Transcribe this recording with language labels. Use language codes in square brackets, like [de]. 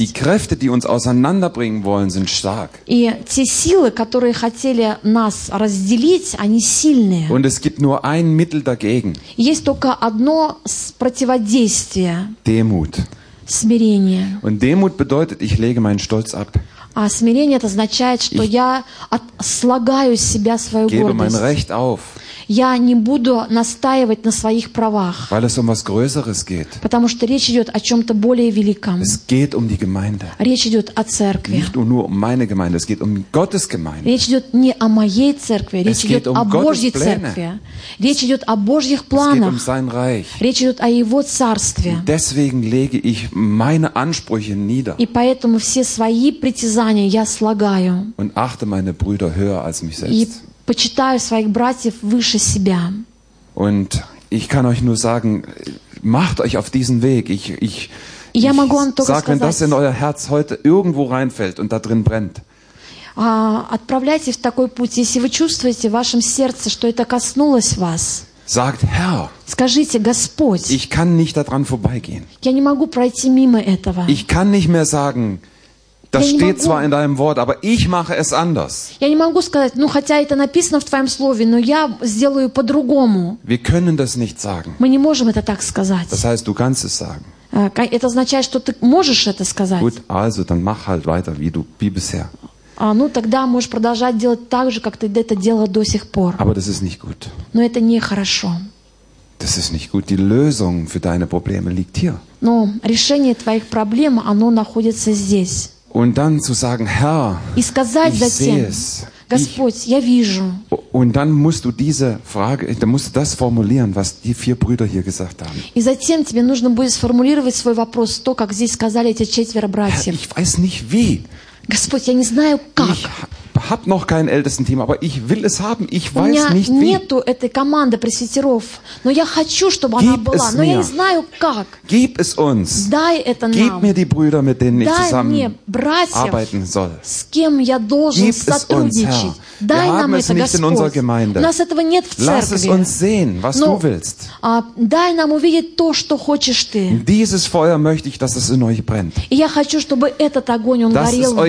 [de] Die Kräfte, die uns auseinanderbringen wollen, sind stark. [ru] И те силы, которые хотели нас разделить, они сильные. [de] Und es gibt nur ein Mittel dagegen. [ru] Есть только одно противодействие. [de] Demut. [ru] Смирение. [de] Und Demut bedeutet, ich lege meinen Stolz ab. [ru] А смирение это означает, что я слагаю с себя свою гордость. Я не буду настаивать на своих правах. [de] Weil es um was Größeres geht. [ru] Потому что речь идет о чем-то более великом. [de] Es geht um die Gemeinde. [ru] Речь идет о церкви. [de] Nicht nur um meine Gemeinde, es geht um Gottes Gemeinde. [ru] Речь идет не о моей церкви, речь идет о Божьей церкви. Речь идет о Божьих планах. [de] Es geht um sein Reich. [ru] Речь идет о Его царстве. [de] Und deswegen lege ich meine Ansprüche nieder. [ru] И поэтому все свои притязания я слагаю. [de] Und achte meine Brüder höher als mich selbst. [ru] Почитаю своих братьев выше себя. [de] Und ich kann euch nur sagen, macht euch auf diesen Weg. Ich [ru] я могу вам только сказать, [de] wenn das in euer Herz heute irgendwo reinfällt und da drin brennt. [ru] Отправляйтесь в такой путь, если вы чувствуете в вашем сердце, что это коснулось вас. [de] Sagt, Herr, [ru] скажите, Господь, [de] ich kann nicht daran vorbeigehen. [ru] Я не могу пройти мимо этого. [de] Ich kann nicht mehr sagen, Das steht zwar in deinem Wort, aber ich mache es anders. [ru] Я не могу сказать, ну хотя это написано в твоем слове, но я сделаю по-другому. [de] Wir können das nicht sagen. [ru] Мы не можем это так сказать. [de] Das heißt, du kannst es sagen. [ru] Это означает, что ты можешь это сказать. [de] Gut, also dann mach halt weiter, wie bisher. [ru] Ну тогда можешь продолжать делать так же, как ты это делал до сих пор. [de] Aber das ist nicht gut. [ru] Но это не хорошо. [de] Das ist nicht gut. Die Lösung für deine Probleme liegt hier. [ru] Но решение твоих проблем, оно находится здесь. [de] Und dann zu sagen, Herr, [ru] И сказать [de] ich [ru] затем, [de] sehe es. [ru] Господь, я вижу. [de] Und dann musst du diese Frage, dann musst du das formulieren, was die vier Brüder hier gesagt haben. [ru] И затем тебе нужно будет сформулировать свой вопрос, то, как здесь сказали эти четверо братьев. [de] Herr, ich weiß nicht wie. [ru] Господь, я не знаю как. [de] Ich habe noch kein Ältestenteam, aber ich will es haben. Ich weiß nicht wie. [ru] У меня нету этой команды пресвитеров, но я хочу, чтобы она была. Но я не знаю как. [de] Gib es uns. [ru] Дай это нам. [de] Gib mir die Brüder, mit denen ich zusammen arbeiten soll. [ru] С кем я должен сотрудничать? Дай нам это, Господь. [de] Wir haben es nicht in unserer Gemeinde. [ru] У нас этого нет в церкви. [de] Lass es uns sehen, was du willst. [ru] Дай нам увидеть то, что хочешь ты. [de] Dieses Feuer möchte ich, dass es in euch brennt. [ru] И я хочу, чтобы этот огонь он горел в вас.